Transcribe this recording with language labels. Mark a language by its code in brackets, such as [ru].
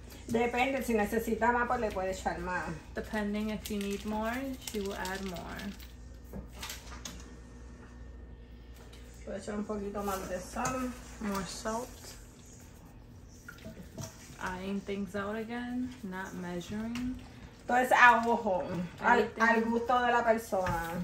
[es] Depende, si necesita más, pues le puede echar más. [en] Depending if you need more, she will add more. [es] Voy a echar un poquito más de sal. [en] More salt. Eyeing things out again, not measuring. [es] Todo es a ojo, al gusto de la persona.